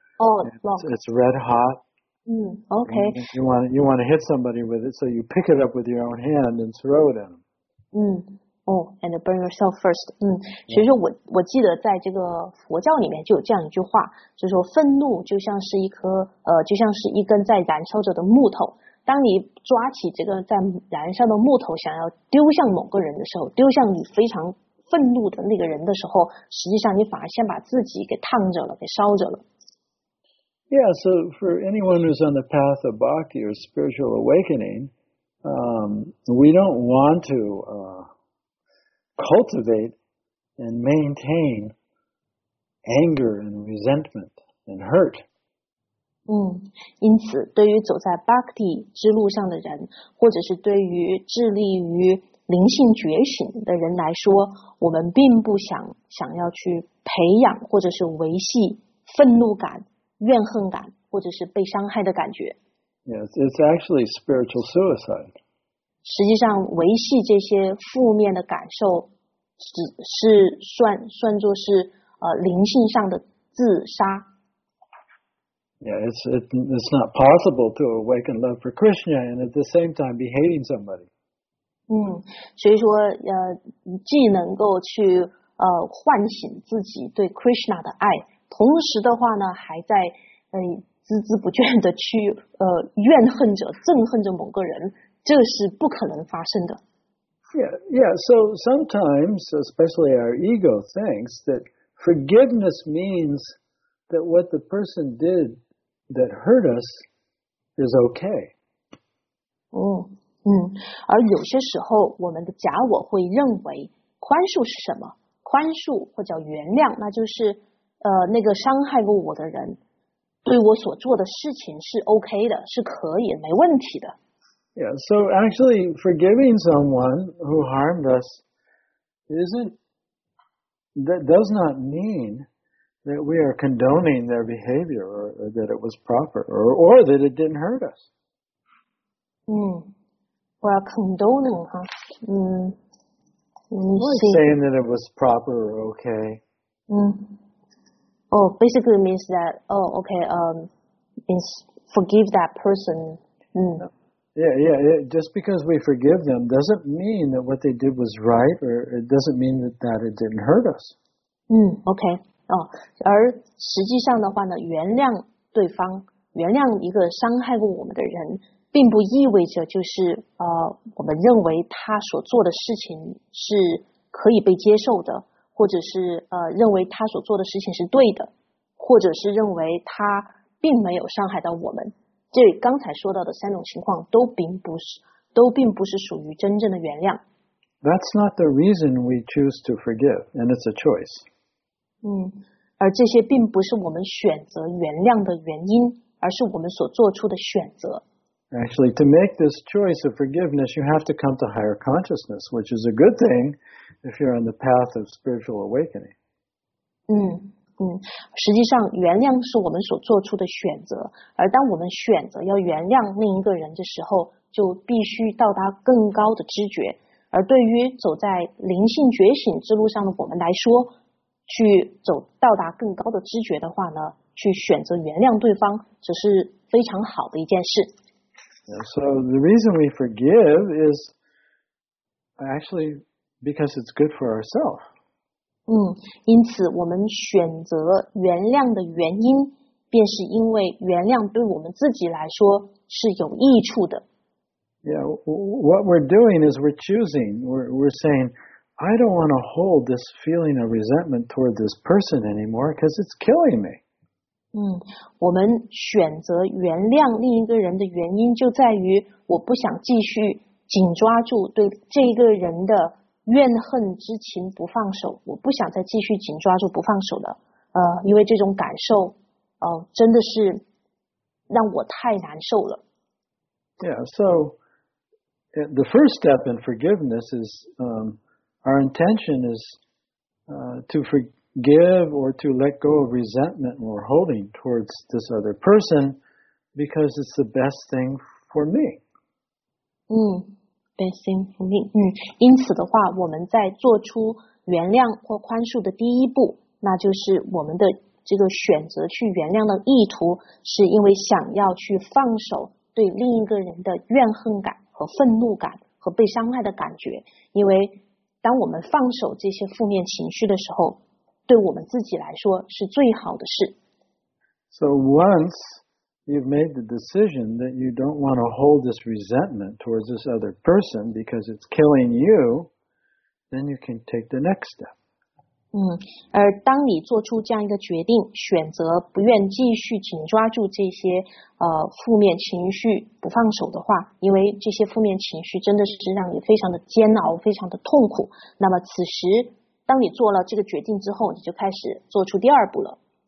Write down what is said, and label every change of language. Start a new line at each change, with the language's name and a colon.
English: It's red hot. Okay. You want to hit somebody with it, so you pick it up with your own hand and throw it at them. And burn yourself first.
Chinese: 其实我记得在这个佛教里面就有这样一句话，就是说愤怒就像是一颗就像是一根在燃烧着的木头。当你抓起这个在燃烧的木头，想要丢向某个人的时候，丢向你非常愤怒的那个人的时候，实际上你反而先把自己给烫着了，给烧着了。
English: Yeah, so for anyone who's on the path of bhakti or spiritual awakening, we don't want to cultivate and maintain anger and resentment and hurt.
Chinese: 因此对于走在 bhakti 之路上的人，或者是对于致力于灵性觉醒的人来说，我们并不想要去培养或者是维系愤怒感、怨恨感，或者是被伤害的感觉。
English: Yes, it's actually spiritual suicide.
Chinese: 实际上，维系这些负面的感受，只是算作是灵性上的自杀。
English: Yeah, it's not possible to awaken love for Krishna and at the same time be hating somebody.
Chinese: 所以说既能够去唤醒自己对 Krishna 的爱，同时的话呢还在孜孜不倦的去怨恨着憎恨着某个人，这是不可能发生的。
English: Yeah, so sometimes, especially our ego thinks that forgiveness means that what the person did that hurt us is okay.
Chinese: 而有些时候我们的假我会认为宽恕是什么，宽恕或叫原谅，那就是那个伤害过我的人对我所做的事情是 OK 的，是可以没问题的。
English: Yeah, so actually forgiving someone who harmed us does not mean that we are condoning their behavior or that it was proper or that it didn't hurt us.
Chinese: 嗯，我要 condoning 哈，嗯。
English: Not saying that it was proper or okay. Mm. Oh, basically means that, oh, okay, means forgive that person. Mm. Yeah, yeah, yeah, just because we forgive them doesn't mean that what they did was right, or it doesn't mean that it didn't hurt us. Mm, okay.
Chinese: Oh, 而实际上的话呢，原谅对方，原谅一个伤害过我们的人，并不意味着就是我们认为他所做的事情是可以被接受的，或者是认为他所做的事情是对的，或者是认为他并没有伤害到我们。这刚才说到的三种情况都并不是属于真正的原谅。
English: That's not the reason we choose to forgive, and it's a choice.
Chinese: 嗯，而这些并不是我们选择原谅的原因，而是我们所做出的选择。
English: Actually, to make this choice of forgiveness, you have to come to higher consciousness, which is a good thing if you're on the path of spiritual awakening.
Chinese: 嗯嗯，实际上，原谅是我们所做出的选择，而当我们选择要原谅另一个人的时候，就必须到达更高的知觉。而对于走在灵性觉醒之路上的我们来说，去走到达更高的知觉的话呢，去选择原谅对方，只是非常好的一件事。
English: So the reason we forgive is actually because it's good for ourselves.
Chinese: 嗯，因此我们选择原谅的原因，便是因为原谅对我们自己来说是有益处的。
English: Yeah, what we're doing is we're choosing. We're saying, I don't want to hold this feeling of resentment toward this person anymore because it's killing me.
Chinese: 嗯，我们选择原谅另一个人的原因就在于我不想继续紧抓住对这个人的怨恨之情不放手，我不想再继续紧抓住不放手了，因为这种感受真的是让我太难受了。
English: Yeah, so the first step in forgiveness is our intention is to forgive or to let go of resentment we're holding towards this other person because it's the best thing for me. 嗯 ，best thing for me.
Chinese: 嗯，因此的话，我们在做出原谅或宽恕的第一步，那就是我们的这个选择去原谅的意图，是因为想要去放手对另一个人的怨恨感和愤怒感和被伤害的感觉。因为当我们放手这些负面情绪的时候，对我们自己来说是最好的事。
English: So once you've made the decision that you don't want to hold this resentment towards this other person because it's killing you, then you can take the next step.
Chinese: 嗯，而当你做出这样一个决定，选择不愿继续紧抓住这些负面情绪不放手的话，因为这些负面情绪真的是让你非常的煎熬，非常的痛苦，那么此时当你做了这个决定之后，你就开始做出第二步了。